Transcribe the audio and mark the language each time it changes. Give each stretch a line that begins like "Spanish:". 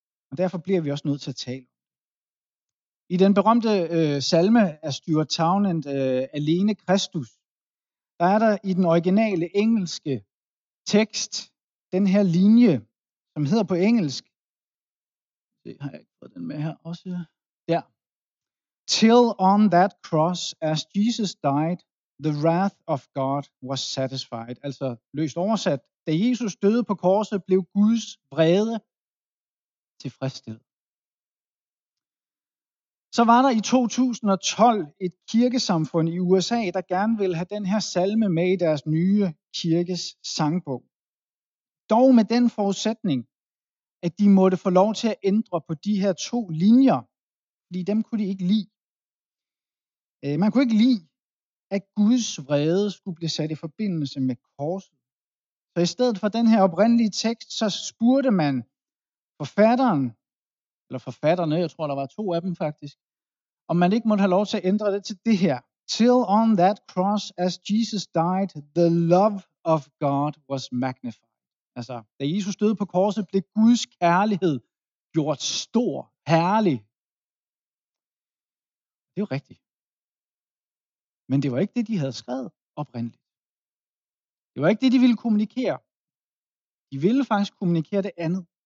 Danish: Og derfor bliver vi også nødt til at tale. I den berømte salme af Stuart Townend, Alene Kristus, der er der i den originale engelske tekst den her linje, som hedder på engelsk. Det har jeg ikke fået den med her også. Der.
English: Till on that cross, as Jesus died, the wrath of God was satisfied.
Danish: Altså løst oversat. Da Jesus døde på korset, blev Guds vrede tilfredsstillet. Så var der i 2012 et kirkesamfund i USA, der gerne ville have den her salme med i deres nye kirkes sangbog. Dog med den forudsætning, at de måtte få lov til at ændre på de her to linjer, fordi dem kunne de ikke lide. Man kunne ikke lide, at Guds vrede skulle blive sat i forbindelse med korset. Så i stedet for den her oprindelige tekst, så spurgte man forfatterne, jeg tror, der var to af dem faktisk, om man ikke måtte have lov til at ændre det til det her.
English: Till on that cross, as Jesus died, the love of God was magnified.
Danish: Altså, da Jesus døde på korset, blev Guds kærlighed gjort stor, herlig. Det er jo rigtigt. Men det var ikke det, de havde skrevet oprindeligt. Det var ikke det, de ville kommunikere. De ville faktisk kommunikere det andet.